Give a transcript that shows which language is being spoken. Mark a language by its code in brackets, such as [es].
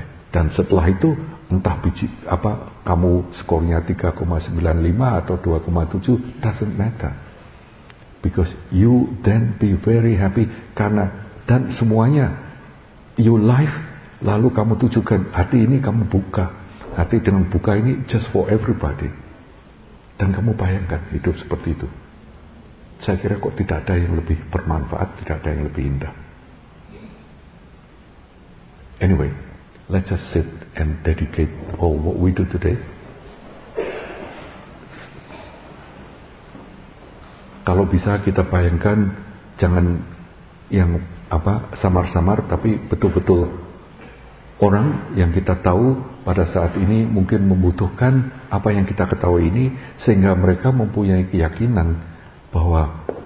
[id] Dan setelah itu entah biji apa kamu skornya 3,95 atau 2,7, [en] doesn't matter, because you then be very happy, [id] karena dan semuanya [en] your life, [id] lalu kamu tujukan hati ini, kamu buka hati dengan buka ini [en] just for everybody, [id] dan kamu bayangkan hidup seperti itu. Saya kira kok tidak ada yang lebih bermanfaat, tidak ada yang lebih indah. [en] Anyway, let's just sit and dedicate all what we do today. [id] Kalau bisa kita bayangkan, jangan yang apa samar-samar, tapi betul-betul orang yang kita tahu pada saat ini mungkin membutuhkan apa yang kita ketahui ini, sehingga mereka mempunyai keyakinan bahwa